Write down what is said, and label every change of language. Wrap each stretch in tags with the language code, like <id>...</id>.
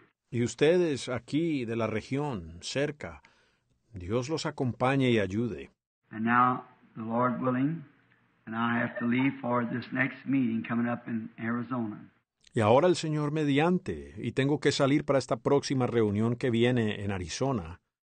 <es>Y ustedes aquí de la región, cerca, Dios los acompañe y ayude.</es> <en>And now, the Lord willing, and I have to leave for this next meeting coming up in Arizona.</en> <es>Y ahora el Señor mediante, y tengo que salir para esta próxima reunión que viene en Arizona.</es>